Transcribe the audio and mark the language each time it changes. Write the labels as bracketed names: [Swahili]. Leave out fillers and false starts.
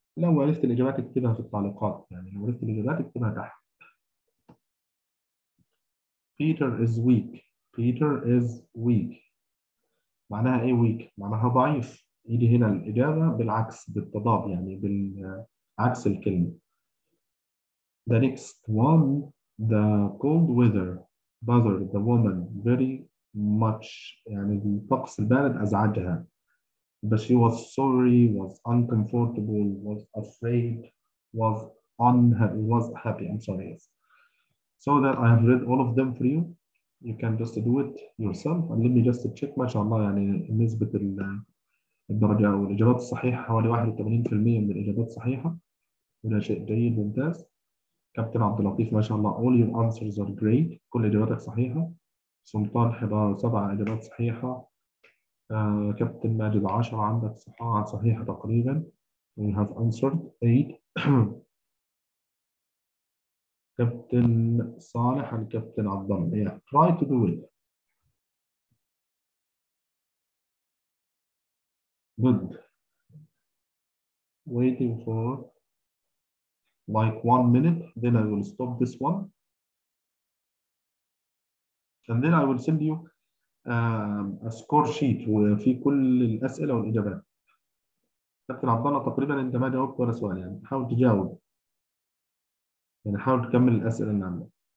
[Arabic] لو عرفت الإجابات اكتبها في التعليقات، يعني لو عرفت الإجابات اكتبها تحت. [English] Peter is weak. Peter is weak. [Arabic] معناها إيه weak؟ معناها ضعيف. يجي هنا الإجابة بالعكس، بالتضاد، يعني بالعكس الكلمة. [English] The next one, the cold weather bothered the woman very much. [Arabic] يعني الطقس البارد أزعجها. [English] But she was sorry, was uncomfortable, was afraid, was unhappy, was happy. I'm sorry. So that I have read all of them for you. You can just do it yourself. And let me just check. [Arabic] ما شاء الله، يعني نسبة الدرجة والإجابات الصحيحة حوالي 81% من الإجابات صحيحة، وده شيء جيد ممتاز. كابتن عبد اللطيف ما شاء الله، [English] all your answers are great، [Arabic] كل إجاباتك صحيحة. سلطان حضار 7 إجابات صحيحة. كابتن ماجد 10، عندك صحة صحيحة تقريبا. [English] We have answered 8. [Arabic] كابتن صالح عن كابتن عبد الله. [English] Yeah, try to do it. Good. Waiting for like 1 minute, then I will stop this one. And then I will send you a score sheet [Arabic] وفي كل الأسئلة والإجابات. كابتن عبد الله تقريبا أنت ما جاوبت ولا سؤال، يعني حاول تجاوب، يعني حاول تكمل الأسئلة اللي عندك.